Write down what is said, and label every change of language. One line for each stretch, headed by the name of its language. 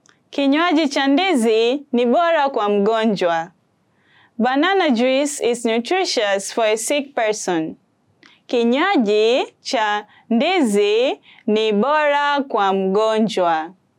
Swahili: Kinywaji cha ndizi ni bora kwa mgonjwa.
English: Banana juice is nutritious for a sick person.
Swahili: Kinywaji cha ndizi ni bora kwa mgonjwa.